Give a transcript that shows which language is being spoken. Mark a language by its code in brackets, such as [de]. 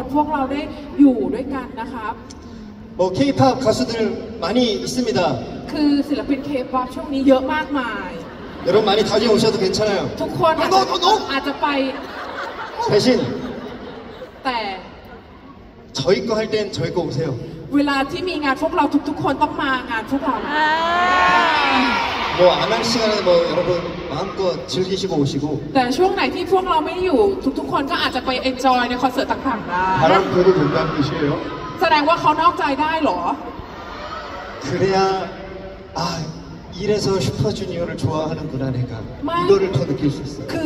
[th] พวกเรารู้สึกขอบคุณมากๆที่ในชีวิตของทุกๆคนในความทรงจำของทุกคนพวกเราได้อยู่ด้วยกันนะครับ [ko] 케이팝 가수들 많이 있습니다. [th] 그 ศิลปิน K-pop ช่วงนี้เยอะมากมาย [ko] 여러분 많이 다녀오셔도 괜찮아요. [th] ทุกคน อาจจะไป [ko] 대신 [th] แต่ [ko] 저희 거 할 땐 저희 거 오세요. [th] เวลาที่มีงานพวกเราทุกๆคนต้องมางานพวกเราบ้าง뭐 [ko] 안 할 시간에 뭐 여러분 마음껏 즐기시고 오시고. [th] แต่ช่วงไหนที่พวกเราไม่อยู่ทุกๆคนก็อาจจะไป enjoy ใน concert ต่างๆได้ [ko] 바람불어도된다는뜻이에요 [th] แสดงว่าเขานอกใจได้หรอ [ko] 그래야 아 이래서 슈퍼주니어를 좋아하는구나 내가 이거를 더 느낄 수 있어.